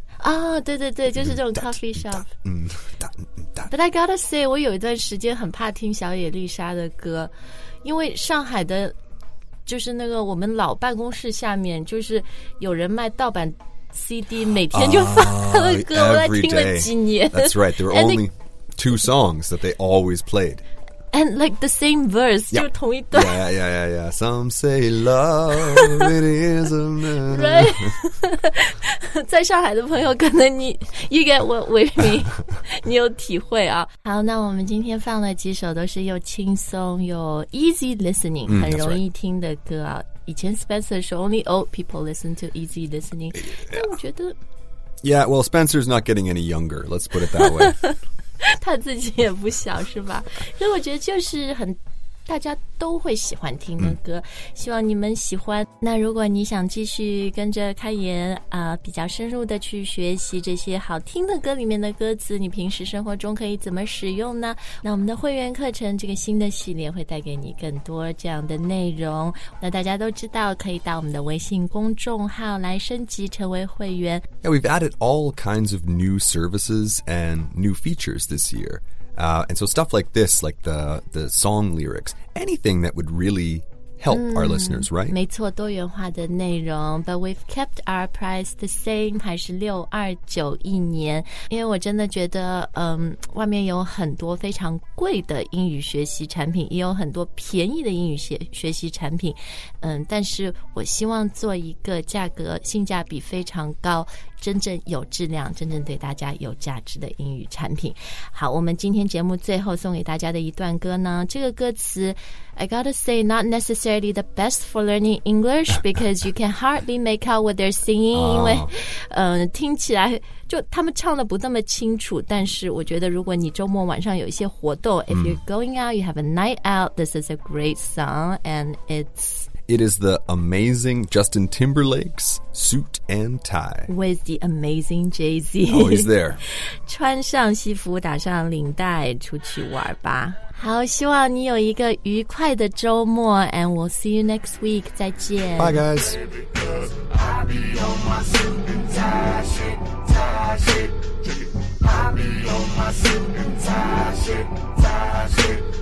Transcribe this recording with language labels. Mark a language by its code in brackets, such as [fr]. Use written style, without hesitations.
[zh] Oh, 对对对就是这种 coffee shop. [en] But I gotta say, [zh] 我有一段时间很怕听小野丽莎的歌，因为上海的，就是那个我们老办公室下面，就是有人卖盗版 CD， 每天就放他的歌，我在听了几年。 [en] That's right, there were only... Two songs that they always played. And like the same verse, [zh] 就是同一段。 [en] Yeah. Some say love, it is a man. Right. [zh] 在上海的朋友可能你 [en] you get what we mean. [zh] 你有体会啊。好那我们今天放了几首都是又轻松又 easy listening, 很容易听的歌啊。以前 [en] Spencer [zh] 说 [en] only old people listen to easy listening. [zh] 但我觉得。 [en] Yeah, well, Spencer's not getting any younger, let's put it that way. [zh] 他自己也不小是吧？所以我觉得就是很大家都会喜欢听的歌，希望你们喜欢。那如果你想继续跟着开言比较深入的去学习这些好听的歌里面的歌词，你平时生活中可以怎么使用呢？那我们的会员课程这个新的系列会带给你更多这样的内容。那大家都知道可以到我们的微信公众号来升级成为会员。 [en] Yeah, we've added all kinds of new services and new features this year. And so stuff like this, like the song lyrics, anything that would really help our listeners, right? [zh] 没错，多元化的内容。 [en] But we've kept our price the same, [zh] 还是629一年。因为我真的觉得外面有很多非常贵的英语学习产品，也有很多便宜的英语学习产品。但是我希望做一个价格性价比非常高，真正有质量，真正对大家有价值的英语产品。好，我们今天节目最后送给大家的一段歌呢，这个歌词 [en] I gotta say not necessarily the best for learning English because you can hardly make out what they're singing、 [zh] 因为听起来就他们唱的不那么清楚，但是我觉得如果你周末晚上有一些活动、 [en] if you're going out, you have a night out, this is a great song and it is the amazing Justin Timberlake's Suit and Tie. With the amazing Jay-Z. Oh, he's there. [zh] 穿上西服打上领带出去玩吧。好，希望你有一个愉快的周末 [en] and we'll see you next week. [zh] 再见。 [en] Bye, guys. Baby, I'll be on my suit and tie shit, tie shit. I'll be on my suit and tie shit, tie shit.